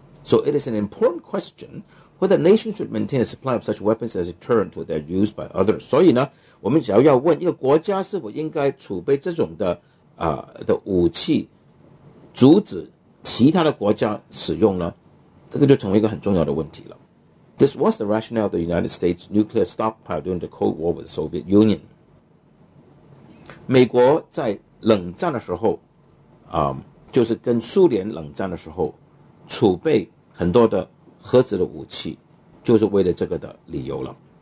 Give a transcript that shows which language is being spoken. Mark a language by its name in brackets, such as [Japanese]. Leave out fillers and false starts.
[English] So it is an important question whether nations should maintain a supply of such weapons as a deterrent to their use by others。 [Chinese] 所以呢，我们只要问一个国家是否应该储备这种 的武器阻止其他的国家使用呢，这个就成为一个很重要的问题了。 [English] This was the rationale of the United States nuclear stockpile during the Cold War with the Soviet Union。 [Chinese] 美国在冷战的时候就是跟苏联冷战的时候储备很多的核子的武器，就是为了这个的理由了。